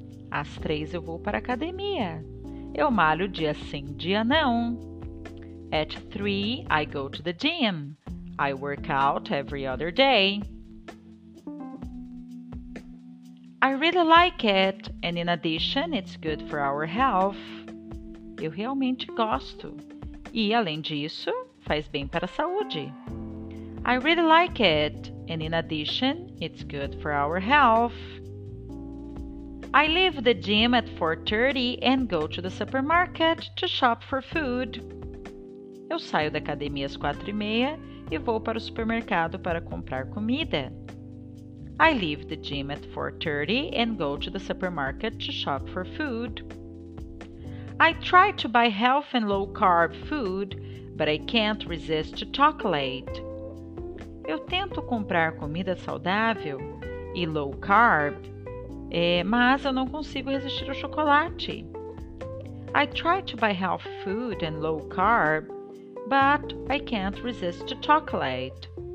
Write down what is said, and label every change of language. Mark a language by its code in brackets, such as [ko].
[pt] Às 3, eu vou para a academia. Eu malho dia sim, dia não. [en] At 3, I go to the gym. I work out every other day. I really like it, and in addition, it's good for our health. [pt] Eu realmente gosto. E, além disso, faz bem para a saúde. [en] I really like it, and in addition, it's good for our health. I leave the gym at 4:30 and go to the supermarket to shop for food. [pt] Eu saio da academia às 4:30 e vou para o supermercado para comprar comida. [en] I leave the gym at 4:30 and go to the supermarket to shop for food. I try to buy healthy and low-carb food, but I can't resist chocolate. [pt] Eu tento comprar comida saudável e low carb, mas eu não consigo resistir ao chocolate. [en] I try to buy health food and low carb, but I can't resist to chocolate.